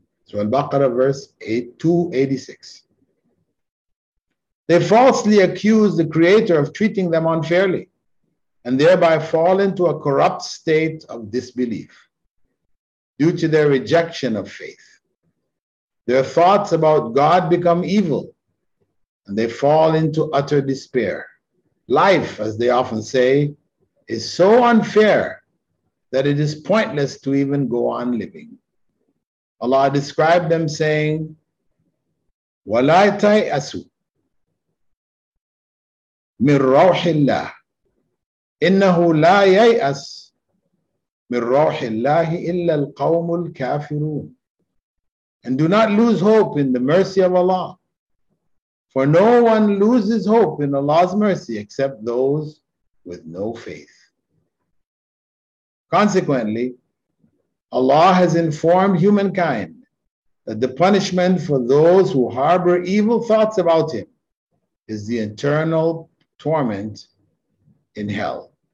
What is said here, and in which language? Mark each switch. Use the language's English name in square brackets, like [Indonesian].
[English] So Al-Baqarah verse 286. They falsely accuse the Creator of treating them unfairly and thereby fall into a corrupt state of disbelief due to their rejection of faith. Their thoughts about God become evil and they fall into utter despair. Life, as they often say, is so unfair that it is pointless to even go on living. Allah described them saying, [Arabic] وَلَا تَيْأَسُوا مِنْ رَوْحِ اللَّهِ إِنَّهُ لَا يَيْأَسْ مِنْ رَوْحِ اللَّهِ إِلَّا الْقَوْمُ الْكَافِرُونَ. [English] And do not lose hope in the mercy of Allah, for no one loses hope in Allah's mercy except those with no faith. Consequently, Allah has informed humankind that the punishment for those who harbor evil thoughts about Him is the eternal torment in hell.